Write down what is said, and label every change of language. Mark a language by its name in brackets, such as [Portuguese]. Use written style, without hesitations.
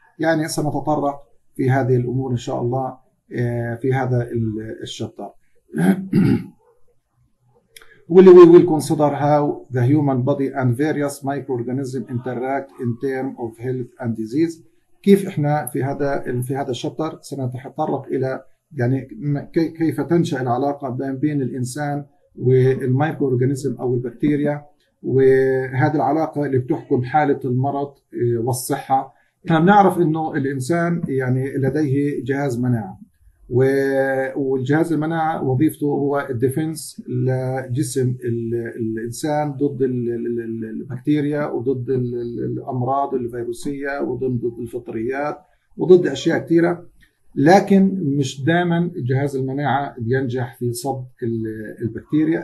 [Arabic] يعني سنتطرق في هذه الامور ان شاء الله في هذا الشابتر. [English] Will we will consider how the human body and various microorganisms interact in terms of health and disease. [Arabic] كيف احنا في هذا الشطر سنتطرق الى يعني كيف تنشا العلاقه بين الانسان والمايكروورجانيزم او البكتيريا، وهذه العلاقه اللي بتحكم حاله المرض والصحه. احنا بنعرف انه الانسان يعني لديه جهاز مناعه، والجهاز المناعة وظيفته هو الديفنس لجسم الإنسان ضد البكتيريا وضد الأمراض الفيروسية وضد الفطريات وضد أشياء كثيرة، لكن مش دائما جهاز المناعة بينجح في صد البكتيريا.